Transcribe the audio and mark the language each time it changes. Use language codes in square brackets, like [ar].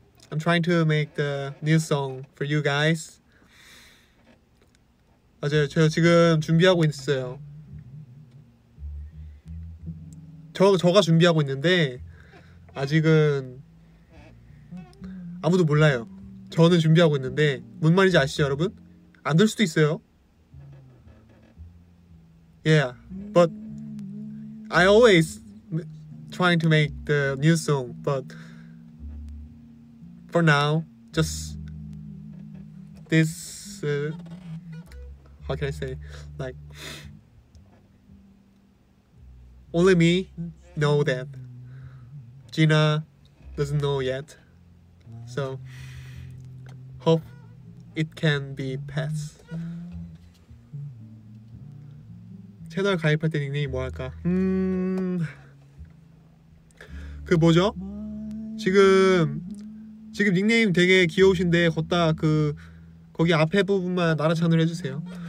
[en] I'm trying to make the new song for you guys. [ko] 맞아요. 제가 지금 준비하고 있어요. 저가 준비하고 있는데 아직은 아무도 몰라요. 저는 준비하고 있는데 뭔 말인지 아시죠 여러분? 안 될 수도 있어요. [en] Yeah, but I always trying to make the new song, but for now, just this, how can I say, like, only me know that. Gina doesn't know yet, so hope it can be passed. [ko] 채널 가입할 때 닉네임 뭐 할까? 그 뭐죠? 지금 닉네임 되게 귀여우신데 걷다 그 거기 앞에 부분만 나라찬을 해주세요.